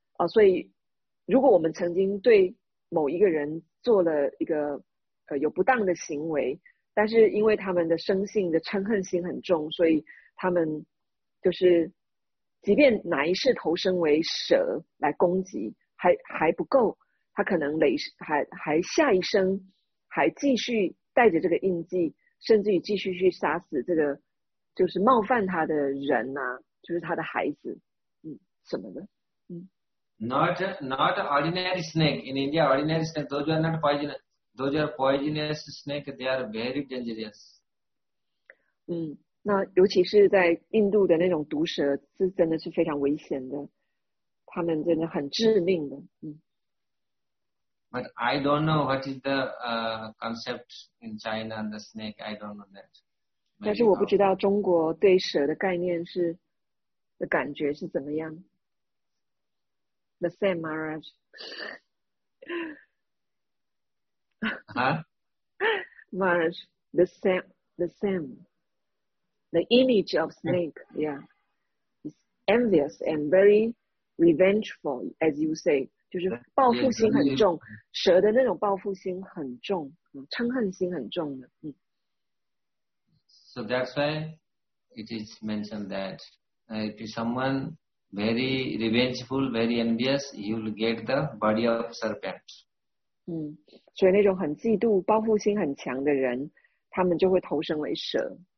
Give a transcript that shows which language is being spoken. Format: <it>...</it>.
<zh>所以如果我们曾经对某一个人做了一个有不当的行为，但是因为他们的生性的嗔恨心很重，所以他们就是即便哪一世投生为蛇来攻击还不够，他可能还下一生还继续带着这个印记，甚至于继续去杀死这个就是冒犯他的人啊，就是他的孩子什么的。</zh> <en>Not ordinary snake. In India, ordinary snake, those are not poisonous. Those are poisonous snake. They are very dangerous.</en> <zh>那尤其是在印度的那种毒蛇是真的是非常危险的，他们真的很致命的。</zh> <en>But I don't know what is the concept in China and the snake. I don't know that.</en> <zh>但是我不知道中国对蛇的概念是的感觉是怎么样。</zh> <en>The same, Maharaj. Maharaj, the same. The image of snake, yeah. It's envious and very revengeful, as you say.</en> <zh>就是报复心很重，蛇的那种报复心很重，嗔恨心很重的。</zh> <en>So that's why it is mentioned that if someone... very revengeful, very envious, you will get the body of serpent.</en> <zh>所以那种很嫉妒、报复心很强的人，他们就会投生为蛇。</zh>